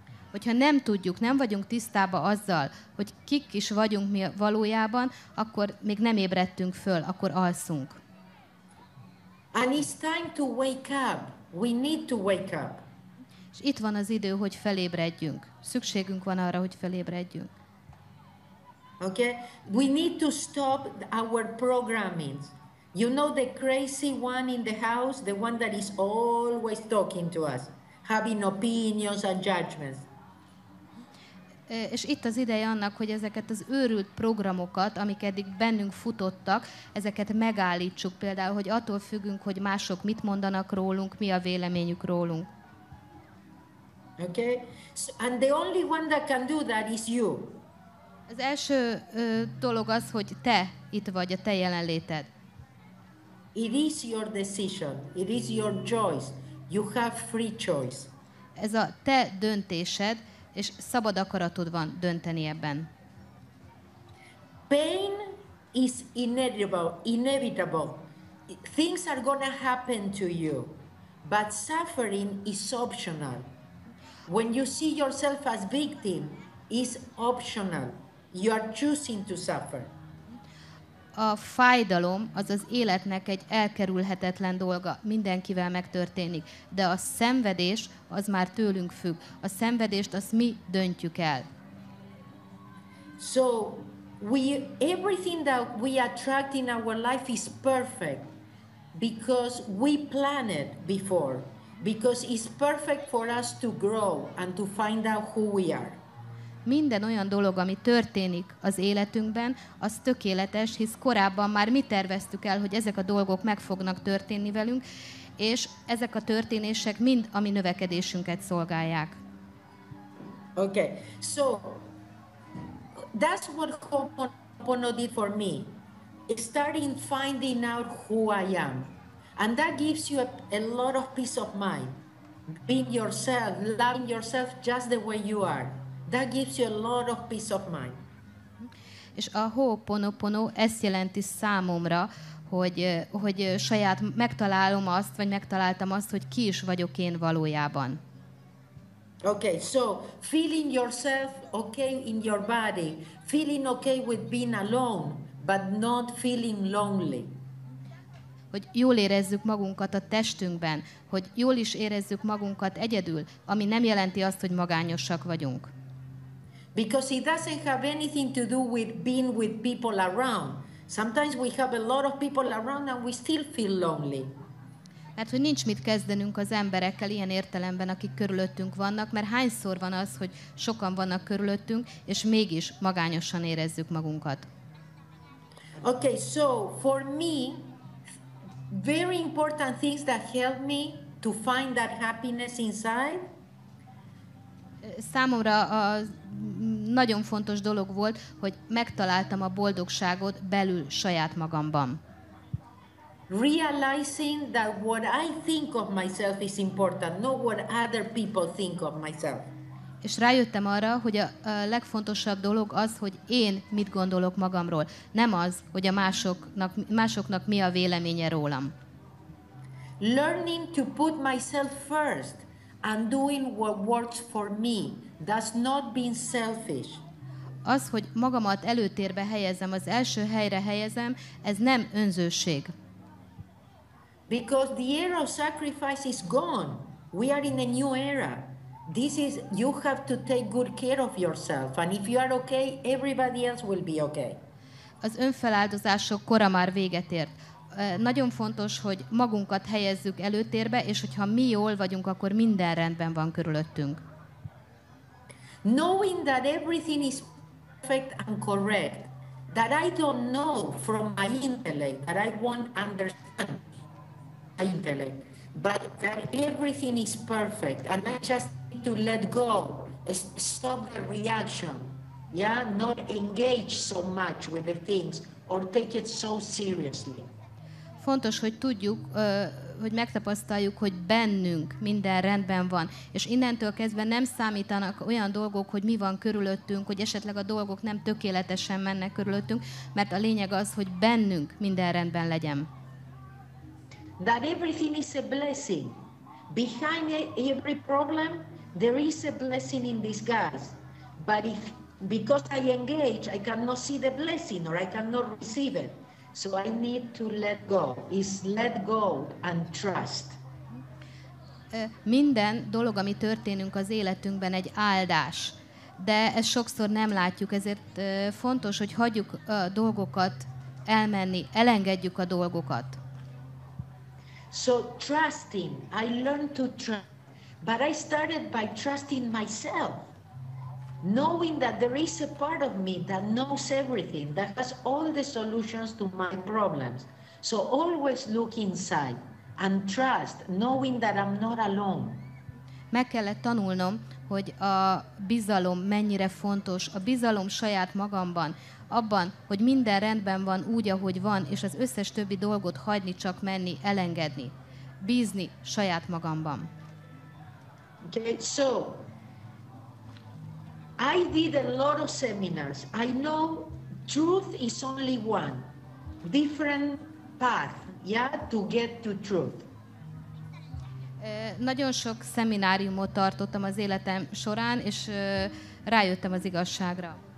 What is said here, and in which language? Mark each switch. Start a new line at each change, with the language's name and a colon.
Hungarian: Hogyha nem tudjuk, nem vagyunk tisztában azzal, hogy kik is vagyunk mi valójában, akkor még nem ébredtünk föl, akkor alszunk.
English: And it's time to wake up. We need to wake up.
Hungarian: És itt van az idő, hogy felébredjünk. Szükségünk van arra, hogy felébredjünk.
English: Okay? We need to stop our programming. You know the crazy one in the house, the one that is always talking to us, having opinions and judgments.
Hungarian: És itt az ideje annak, hogy ezeket az őrült programokat, amik eddig bennünk futottak, ezeket megállítsuk, például, hogy attól függünk, hogy mások mit mondanak rólunk, mi a véleményük rólunk.
English: Okay? So, and the only one that can do that is you.
Hungarian: Az első dolog az, hogy te itt vagy, a te jelenléted.
English: It is your decision. It is your choice. You have free choice.
Hungarian: Ez a te döntésed, és szabad akaratod van dönteni ebben.
English: Pain is inevitable. Things are gonna happen to you. But suffering is optional. When you see yourself as victim, it's optional. You are choosing to suffer.
Hungarian: A fájdalom az az életnek egy elkerülhetetlen dolga, mindenkivel megtörténik. De a szenvedés az már tőlünk függ. A szenvedést azt mi döntjük el.
English: So, everything that we attract in our life is perfect because we planned it before. Because it's perfect for us to grow and to find out who we are.
Hungarian: Minden olyan dolog, ami történik az életünkben, az tökéletes, hisz korábban már mi terveztük el, hogy ezek a dolgok meg fognak történni velünk, és ezek a történések mind a mi növekedésünket szolgálják.
English: Okay, so that's what Ho'oponopono did for me. It's starting finding out who I am. And that gives you a lot of peace of mind. Being yourself, loving yourself just the way you are. That gives you a lot of peace of mind.
Hungarian: És a Ho'oponopono ezt jelenti számomra, hogy saját megtalálom azt, vagy megtaláltam azt, hogy ki is vagyok én valójában.
English: Okay, so feeling yourself okay in your body, feeling okay with being alone, but not feeling lonely.
Hungarian: Hogy jól érezzük magunkat a testünkben, hogy jól is érezzük magunkat egyedül, ami nem jelenti azt, hogy magányosak vagyunk.
English: Because it doesn't have anything to do with being with people around. Sometimes we have a lot of people around and we still feel lonely.
Hungarian: Mert hogy nincs mit kezdenünk az emberekkel ilyen értelemben, akik körülöttünk vannak, mert hányszor van az, hogy sokan vannak körülöttünk, és mégis magányosan érezzük magunkat.
English: Okay, so for me, very important things that help me to find that happiness inside.
Hungarian: Számomra az nagyon fontos dolog volt, hogy megtaláltam a boldogságot belül saját magamban.
English: Realizing that what I think of myself is important, not what other people think of myself.
Hungarian: És rájöttem arra, hogy a legfontosabb dolog az, hogy én mit gondolok magamról, nem az, hogy a másoknak mi a véleménye rólam.
English: Learning to put myself first and doing what works for me, that's not being selfish.
Hungarian: Az, hogy magamat előtérbe helyezem, az első helyre helyezem, ez nem önzőség.
English: Because the era of sacrifice is gone. We are in a new era. This is, you have to take good care of yourself, and if you are okay, everybody else will be okay.
Hungarian: Az önfeláldozások kora már véget ért. Nagyon fontos, hogy magunkat helyezzük előtérbe, és hogyha mi jól vagyunk, akkor minden rendben van körülöttünk.
English: Knowing that everything is perfect and correct, that I don't know from my intellect, that I won't understand my intellect, but that everything is perfect, and I just need to let go stop the reaction, yeah, not engage so much with the things or take it so seriously.
Hungarian: Fontos, hogy tudjuk, hogy megtapasztaljuk, hogy bennünk minden rendben van. És innentől kezdve nem számítanak olyan dolgok, hogy mi van körülöttünk, hogy esetleg a dolgok nem tökéletesen mennek körülöttünk, mert a lényeg az, hogy bennünk minden rendben legyen.
English: That everything is a blessing. Behind every problem, there is a blessing in disguise. But if, because I engage, I cannot see the blessing or I cannot receive it. So I need to let go. Is let go and trust.
Hungarian: Minden dolog, ami történünk az életünkben, egy áldás. De ezt sokszor nem látjuk, ezért fontos, hogy hagyjuk a dolgokat elmenni, elengedjük a dolgokat.
English: So trusting, I learned to trust. But I started by trusting myself. Knowing that there is a part of me that knows everything, that has all the solutions to my problems. So always look inside and trust, knowing that I'm not alone.
Hungarian: Meg kellett tanulnom, hogy a bizalom mennyire fontos, a bizalom saját magamban, abban, hogy minden rendben van úgy, ahogy van, és az összes többi dolgot hagyni, csak menni, elengedni, bízni saját magamban.
English: Okay, so I did a lot of seminars. I know truth is only one, different path, yeah, to get to truth.
Hungarian: Nagyon sok szemináriumot tartottam az életem során, és rájöttem az igazságra.